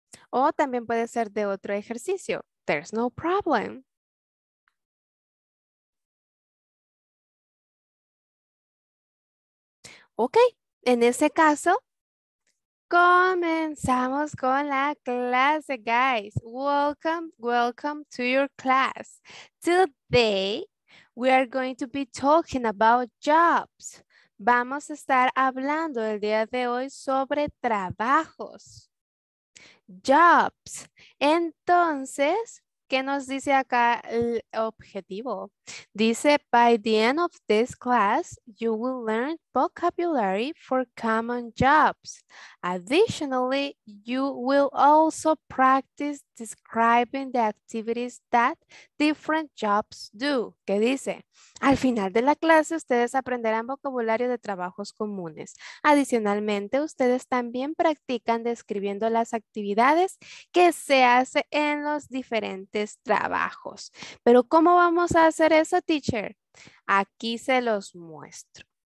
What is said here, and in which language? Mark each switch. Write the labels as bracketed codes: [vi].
[es] O también puede ser de otro ejercicio. [en] There's no problem. [es] Ok, en ese caso, comenzamos con la clase, guys. [en] Welcome, welcome to your class. Today, we are going to be talking about jobs. [es] Vamos a estar hablando el día de hoy sobre trabajos. Jobs. Entonces, ¿qué nos dice acá el objetivo? Dice, [en] by the end of this class, you will learn vocabulary for common jobs. Additionally, you will also practice describing the activities that different jobs do. [es] ¿Qué dice? Al final de la clase, ustedes aprenderán vocabulario de trabajos comunes. Adicionalmente, ustedes también practican describiendo las actividades que se hacen en los diferentes trabajos. Pero, ¿cómo vamos a hacer eso, teacher? Aquí se los muestro.